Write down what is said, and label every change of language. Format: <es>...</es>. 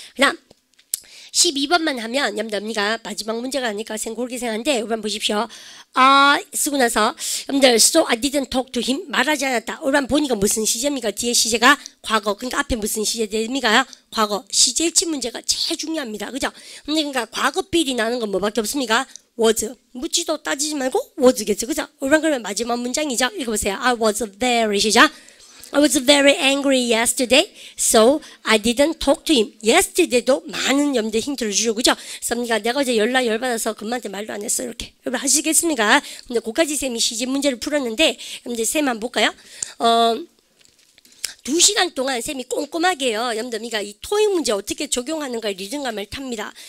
<ko>그다음 12번만 하면 여러분들 어미가 마지막 문제가 아닐까 그렇게 생각하는데 여러분 보십시오. I 쓰고 나서 여러분들</ko> <en>so I didn't talk to him</en> <ko>말하지 않았다. 여러분 보니까 무슨 시제입니까? 뒤에 시제가 과거. 그러니까 앞에 무슨 시제 됩니까? 과거. 시제 일치 문제가 제일 중요합니다. 그죠? 그러니까 과거 비리 나는 건 뭐밖에 없습니까?</ko> <en>was.</en> <ko>묻지도 따지지 말고 was겠죠. 그죠? 여러분 그러면 마지막 문장이죠. 읽어보세요.</ko> <en>I was there.</en> <ko>시작.</ko> <en>I was very angry yesterday, so I didn't talk to him.</en> <ko>Yesterday도 많은 염두에 힌트를 주죠, 그죠? 그러니까 내가 어제 열나 열받아서 금마한테 말도 안 했어, 이렇게. 여러분 아시겠습니까? 근데 고까지 쌤이 시집 문제를 풀었는데, 이제 쌤 한번 볼까요? 두 시간 동안 쌤이 꼼꼼하게요. 염두미가 이 토익 문제 어떻게 적용하는가 리듬감을 탑니다.</ko>